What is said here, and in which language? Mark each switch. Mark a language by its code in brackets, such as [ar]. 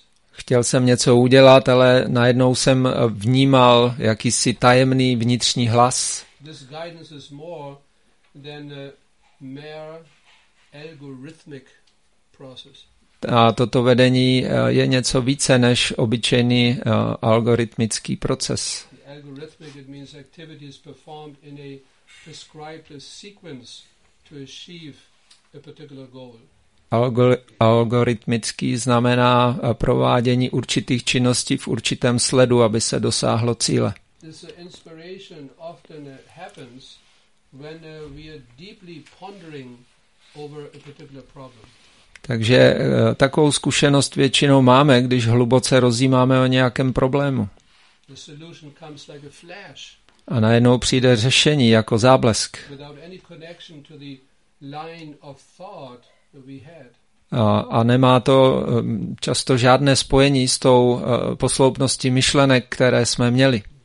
[cs] Chtěl jsem něco udělat, ale najednou jsem vnímal jakýsi tajemný vnitřní hlas. [en] This guidance is more than a mere algorithmic process. [cs] A toto vedení je něco více než obyčejný algoritmický proces. [en] The algorithmic, it means activity is performed in a prescribed sequence to achieve a particular goal. [cs] Algoritmický znamená provádění určitých činností v určitém sledu, aby se dosáhlo cíle. [en] This inspiration often happens when we are deeply pondering over a particular problem. [cs] Takže takovou zkušenost většinou máme, když hluboce rozjímáme o nějakém problému. [en] The solution comes like a flash. [cs] A najednou přijde řešení jako záblesk. [en] Without any connection to the line of thought that we had. [cs] A nemá to často žádné spojení s tou posloupností myšlenek, které jsme měli.